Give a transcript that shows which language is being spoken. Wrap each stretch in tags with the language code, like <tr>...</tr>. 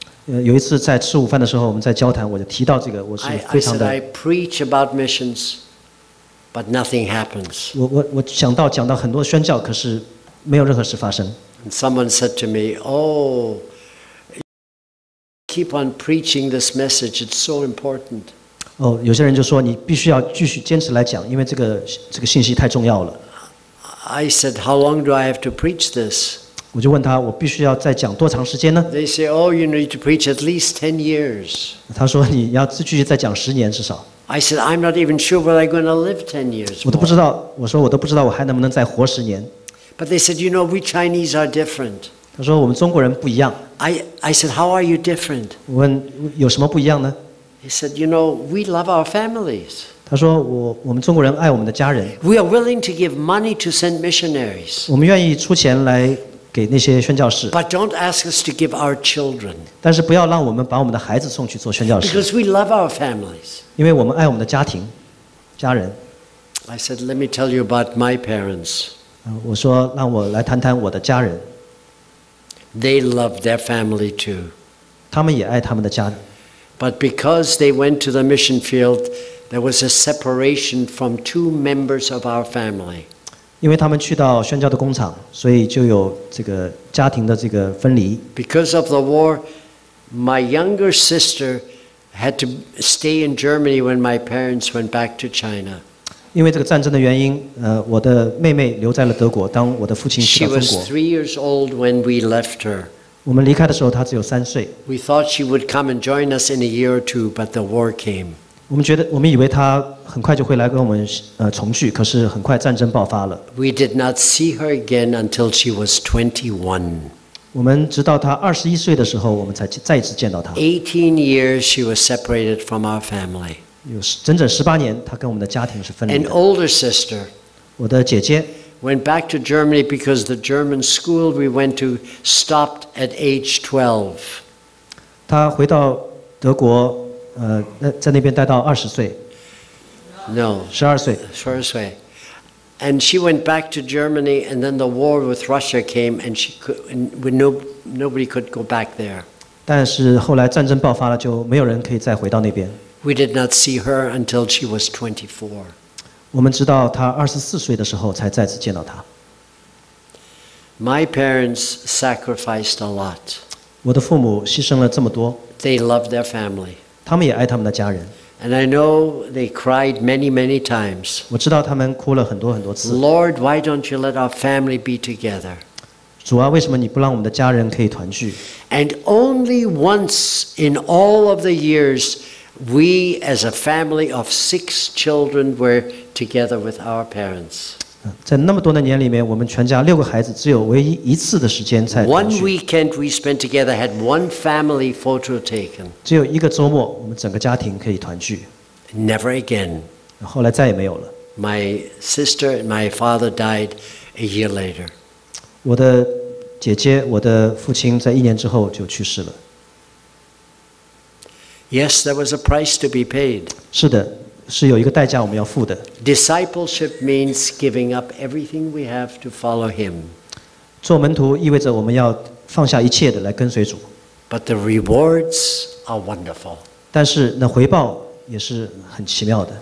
<zh>有一次在吃午饭的时候，我们在交谈，我就提到这个，我是非常的。</zh> <en>I preach about missions, but nothing happens.</en> <zh>我讲到很多宣教，可是没有任何事发生。</zh> <en>And someone said to me, "Oh, keep on preaching this message. It's so important."</en> <zh>哦，有些人就说你必须要继续坚持来讲，因为这个信息太重要了。</zh> <en>I said, "How long do I have to preach this?"</en> <zh>我就问他，我必须要再讲多长时间呢</zh> <en>？They say, "Oh, you need to preach at least 10 years."</en> <zh>他说你要继续再讲十年至少。</zh> <en>I said, "I'm not even sure whether I'm going to live 10 years."</en> <zh>我都不知道，我说我都不知道我还能不能再活十年。</zh> <en>But they said, "You know, we Chinese are different."</en> <zh>他说我们中国人不一样。</zh> <en>I said, "How are you different?"</en> <zh>我问有什么不一样呢</zh> <en>？He said, "You know, we love our families."</en> <zh>他说我们中国人爱我们的家人。</zh> <en>We are willing to give money to send missionaries.</en> <zh>我们愿意出钱来。给那些宣教士。</zh> <en>But don't ask us to give our children.</en> <zh>但是不要让我们把我们的孩子送去做宣教士。</zh> <en>Because we love our families.</en> <zh>因为我们爱我们的家庭，家人。</zh> <en>I said, let me tell you about my parents.</en> <zh>我说让我来谈谈我的家人。</zh> <en>They love their family too.</en> <zh>他们也爱他们的家。</zh> <en>But because they went to the mission field, there was a separation from two members of our family.</en> <zh>因为他们去到宣教的工厂，所以就有这个家庭的这个分离。</zh> <en>Because of the war, my younger sister had to stay in Germany when my parents went back to China.</en> <zh>因为这个战争的原因，我的妹妹留在了德国，当我的父亲去了中国。</zh> <en>She was 3 years old when we left her.</en> <zh>我们离开的时候，她只有三岁。</zh> <en>We thought she would come and join us in a year or two, but the war came.</en> <zh>我们以为他很快就会来跟我们重聚，可是很快战争爆发了。</zh> <en>We did not see her again until she was 21.</en> <zh>我们直到她21岁的时候，我们才再一次见到她。</zh> <en>18 years she was separated from our family.</en> <zh>有整整18年，她跟我们的家庭是分离的。</zh> <en>An older sister,</en> <zh>我的姐姐</zh> <en>went back to Germany because the German school we went to stopped at age 12.</en> <zh>她回到德国。在那边待到二十岁。</zh> <en>No.</en> <zh>十二岁。十二岁。</zh> <en>And she went back to Germany, and then the war with Russia came, and she could, nobody could go back there.</en> <zh>但是后来战争爆发了，就没有人可以再回到那边。</zh> <en>We did not see her until she was 24.</en> <zh>我们直到她二十四岁的时候才再次见到她。</zh> <en>My parents sacrificed a lot.</en> <zh>我的父母牺牲了这么多。</zh> <en>They loved their family.</en> <zh>他们也爱他们的家人。</zh> <en>And I know they cried many, many times.</en> <zh>我知道他们哭了很多很多次。</zh> <en>Lord, why don't you let our family be together?</en> <zh>主啊，为什么你不让我们的家人可以团聚？</zh> <en>And only once in all of the years, we as a family of six children were together with our parents.</en> <zh>在那么多的年里面，我们全家六个孩子只有唯一一次的时间才团聚。</zh> <en>One weekend we spent together had one family photo taken.</en> <zh>只有一个周末，我们整个家庭可以团聚。</zh> <en>Never again.</en> <zh>后来再也没有了。</zh> <en>My sister and my father died a year later.</en> <zh>我的姐姐，我的父亲在一年之后就去世了。</zh> <en>Yes, there was a price to be paid.</en> <zh>是的。是有一个代价我们要付的。</zh> <en>Discipleship means giving up everything we have to follow him.</en> <zh>做门徒意味着我们要放下一切的来跟随主。</zh> <en>But the rewards are wonderful.</en> <zh>但是那回报也是很奇妙的。</zh>